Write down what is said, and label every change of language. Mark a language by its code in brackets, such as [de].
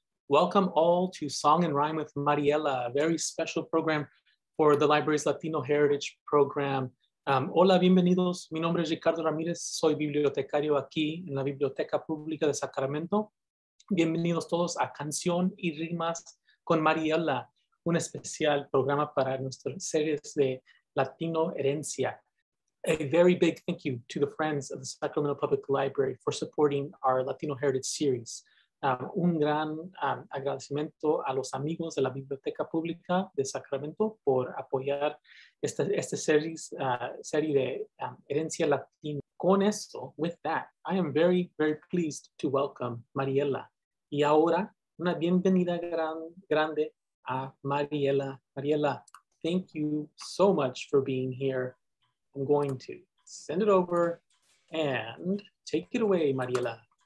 [en] Welcome all to Song and Rhyme with Mariela, a very special program for the library's Latino Heritage program. [es] Hola, bienvenidos. Mi nombre es Ricardo Ramirez. Soy bibliotecario aquí en la Biblioteca Pública de Sacramento. Bienvenidos todos a Canción y Rimas con Mariela, un especial programa para nuestras series de Latino Herencia. [en] A very big thank you to the friends of the Sacramento Public Library for supporting our Latino Heritage series. [es] Un gran agradecimiento a los amigos de la Biblioteca Pública de Sacramento por apoyar esta serie de herencia latina. Con esto, [en] with that, I am very, very pleased to welcome Mariela. [es] Y ahora, una bienvenida grande a Mariela. [en] Mariela, thank you so much for being here. I'm going to send it over and take it away, Mariela.